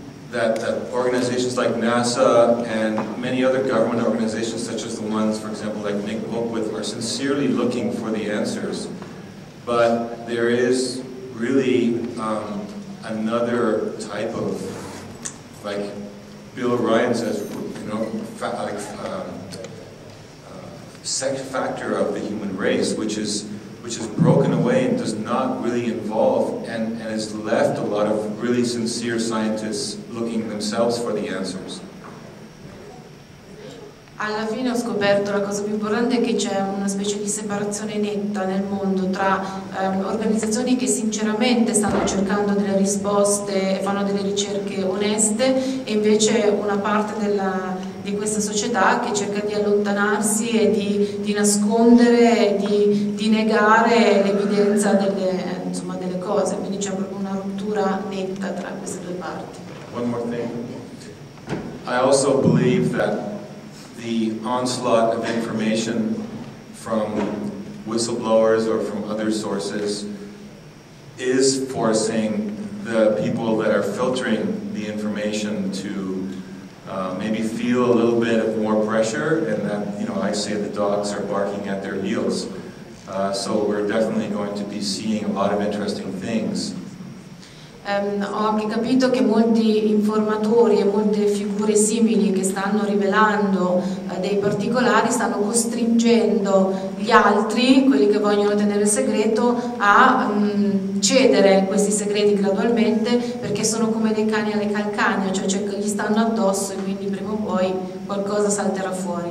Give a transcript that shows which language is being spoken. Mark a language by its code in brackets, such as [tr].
[en] that organizations like NASA and many other government organizations, such as the ones, for example, like Nick Popewith, are sincerely looking for the answers, but there is really another type of, like Bill O'Brien says, you know, sex factor of the human race, which is broken away and does not really involve, and has left a lot of really sincere scientists looking themselves for the answers. [it] Alla fine ho scoperto la cosa più importante è che c'è una specie di separazione netta nel mondo tra organizzazioni che sinceramente stanno cercando delle risposte e fanno delle ricerche oneste e invece una parte di questa società che cerca di allontanarsi e di nascondere e di negare l'evidenza delle cose. Quindi c'è proprio una rottura netta tra queste due parti. [en] One more thing. I also believe that the onslaught of information from whistleblowers or from other sources is forcing the people that are filtering the information to maybe feel a little bit of more pressure, and that, you know, I say the dogs are barking at their heels. So we're definitely going to be seeing a lot of interesting things. [it] Ho anche capito che molti informatori e molte figure simili che stanno rivelando dei particolari stanno costringendo gli altri, quelli che vogliono tenere il segreto, a cedere questi segreti gradualmente, perché sono come dei cani alle calcagna, cioè gli stanno addosso e quindi prima o poi qualcosa salterà fuori.